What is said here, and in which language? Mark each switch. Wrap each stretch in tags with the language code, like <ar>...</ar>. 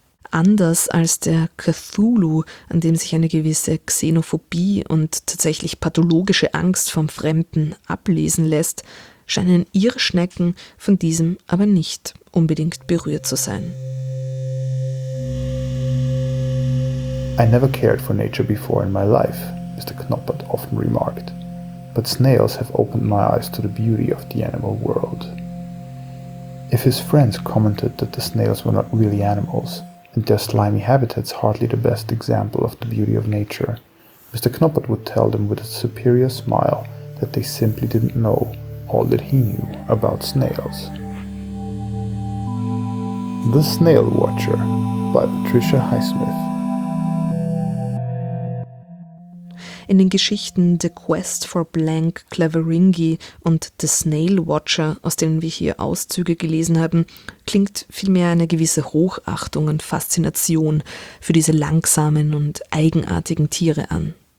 <de>Anders als der Cthulhu, an dem sich eine gewisse Xenophobie und tatsächlich pathologische Angst vom Fremden ablesen lässt, scheinen ihre Schnecken von diesem aber nicht unbedingt berührt zu sein.</de> <en>I never cared for nature before in my life, Mr. Knoppert often remarked. But snails have opened my eyes to the beauty of the animal world. If his friends commented that the snails were not really animals, and their slimy habitats hardly the best example of the beauty of nature, Mr. Knoppert would tell them with a superior smile that they simply didn't know all that he knew about snails. The Snail Watcher by Patricia Highsmith.</en> <de>In den Geschichten The Quest for Blank Cleveringi und The Snail Watcher, aus denen wir hier Auszüge gelesen haben, klingt vielmehr eine gewisse Hochachtung und Faszination für diese langsamen und eigenartigen Tiere an.</de>